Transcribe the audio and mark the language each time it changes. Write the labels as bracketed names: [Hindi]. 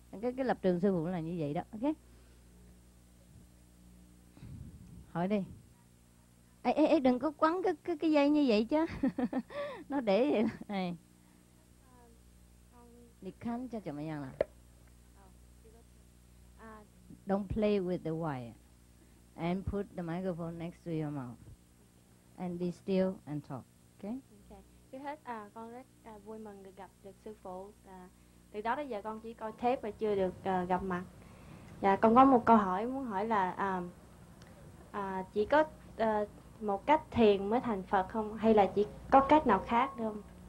[Vietnamese] Cái lập trường sư phụ là như vậy đó. Ok, hỏi đi. Ê, đừng có quấn cái dây như vậy chứ. Nó để vậy này. Đi khăn cho chồng mày nhàng là. [English] Don't play with the wire. And put the microphone next to your mouth. And be still and talk. Okay? Okay. [Vietnamese] Trước hết, con rất vui mừng được gặp được sư phụ. Từ đó tới giờ con chỉ coi tape và chưa được gặp mặt. Dạ, con có một câu hỏi muốn hỏi là... chỉ có một cách thiền mới thành Phật không, hay là chỉ có cách nào khác được không?